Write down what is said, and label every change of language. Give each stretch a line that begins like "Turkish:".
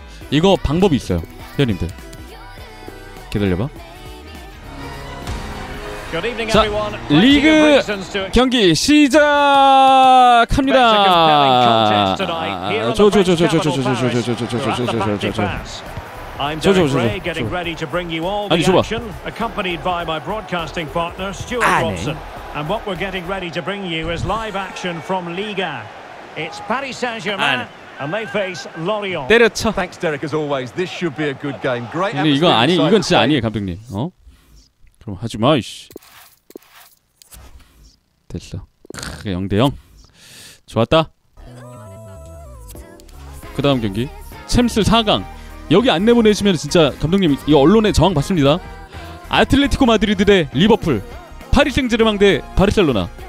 Korean: 이거 방법이 있어요, 회원님들. 기다려봐. 자, 리그 경기 시작합니다. 저.
English: I'm Derek Ray, getting ready to bring you all the action, accompanied by my broadcasting partner, Stuart Robson. And what we're getting ready to bring you is live action from Liga. It's Paris Saint-Germain, and they face Lorient.
Korean: 때려쳐.
English: Thanks, Derek, as always. This should be a good game. Great.
Korean: 근데 이거 아니, 이건 진짜 아니에요, 감독님. 어? 그럼 하지 마, 이씨. 됐어. 크게 0대 0. 좋았다. 그 다음 경기. 챔스 4강. 여기 안 내보내시면 진짜 감독님 이 언론에 저항 받습니다. 아틀레티코 마드리드 대 리버풀, 파리 생제르맹 대 바르셀로나.